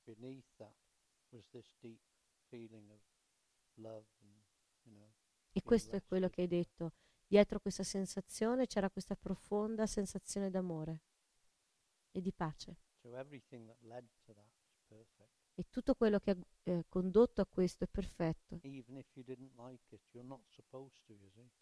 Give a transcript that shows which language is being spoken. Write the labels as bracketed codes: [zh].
[en] Beneath that was this deep feeling of love and, you know, [it] e questo è quello che hai detto. Dietro questa sensazione c'era questa profonda sensazione d'amore e di pace. [en] So everything that led to that is perfect. [it] E tutto quello che ha condotto a questo è perfetto. [en] Even if you didn't like it, you're not supposed to, you see?